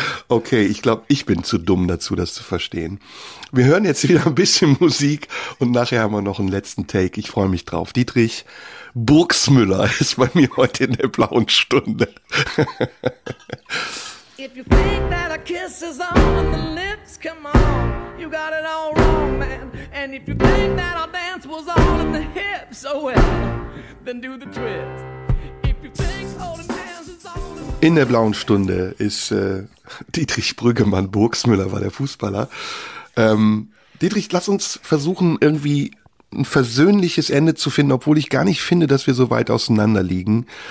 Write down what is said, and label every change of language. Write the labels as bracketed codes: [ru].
[de] Okay, ich glaube, ich bin zu dumm dazu, das zu verstehen. Wir hören jetzt wieder ein bisschen Musik und nachher haben wir noch einen letzten Take. Ich freue mich drauf. Dietrich Burgsmüller ist bei mir heute in der Blauen Stunde. [en] If you think that a kiss is on the lips, come on, you got it all wrong, man. And if you think that a dance was on in the hips, oh well, then do the twist. If you think holding hands is on the lips. [de] In der Blauen Stunde ist Dietrich Brüggemann, Burgsmüller war der Fußballer. Dietrich, lass uns versuchen, irgendwie ein versöhnliches Ende zu finden, obwohl ich gar nicht finde, dass wir so weit auseinander liegen.